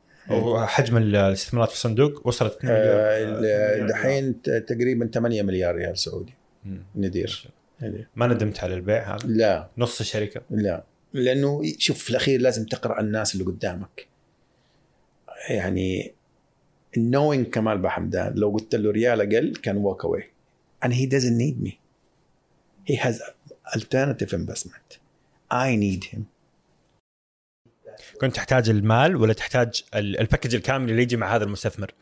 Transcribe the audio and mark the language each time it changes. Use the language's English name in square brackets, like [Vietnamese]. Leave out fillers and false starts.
[Arabic] وحجم الاستثمارات في الصندوق وصلت 2 مليار دحين تقريبا 8 مليار ريال سعودي. ندير ما ندمت على البيع هذا؟ لا. نص الشركة؟ لا، لأنه شوف في الأخير لازم تقرأ الناس اللي قدامك. [English] يعني knowing كمال بحمدان [Arabic] لو قلت له ريال أقل كان [English] walk away and he doesn't need me, he has alternative investment, I need him. [Arabic] كنت تحتاج المال ولا تحتاج الباكج الكامل اللي يجي مع هذا المستثمر؟